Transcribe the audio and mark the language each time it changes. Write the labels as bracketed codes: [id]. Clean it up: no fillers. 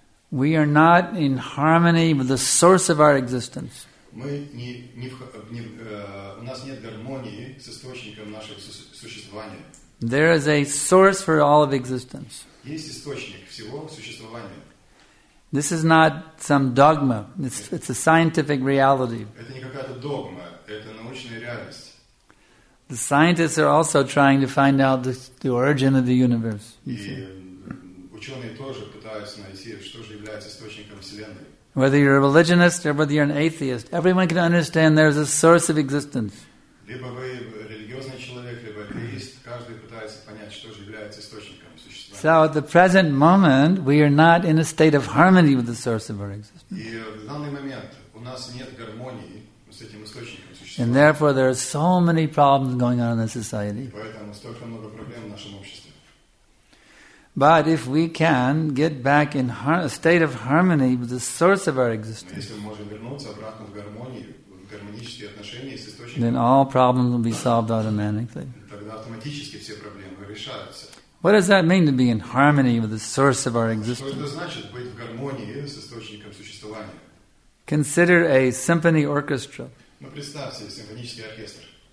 [en] We are not in harmony with the source of our existence. [ru] Мы не, не, не, у нас нет гармонии с источником нашего существования. [en] There is a source for all of existence. [ru] Есть источник всего существования. [en] This is not some dogma. It's a scientific reality. [ru] Это не какая-то догма, это научная реальность. [en] The scientists are also trying to find out the origin of the universe. [ru] Ученые тоже пытаются найти, что же является источником вселенной. [en] Whether you're a religionist or whether you're an atheist, everyone can understand there's a source of existence. [ru] Либо вы религиозный человек, либо атеист, каждый пытается понять, что же является источником существования. [en] So at the present moment, we are not in a state of harmony with the source of our existence. [ru] И в данный момент у нас нет гармонии с этим источником существования. [en] And therefore, there are so many problems going on in the society. [ru] Поэтому столько много проблем в нашем обществе. [en] But if we can get back in a state of harmony with the source of our existence, [ru] если мы можем вернуться обратно в гармонию, в гармонические отношения с источником, [en] then all problems will be solved automatically. [ru] Тогда автоматически все проблемы решаются. [en] What does that mean to be in harmony with the source of our existence? [ru] Что это значит быть в гармонии с источником существования? [en] Consider a symphony orchestra. [ru] Ну, представьте себе симфонический оркестр.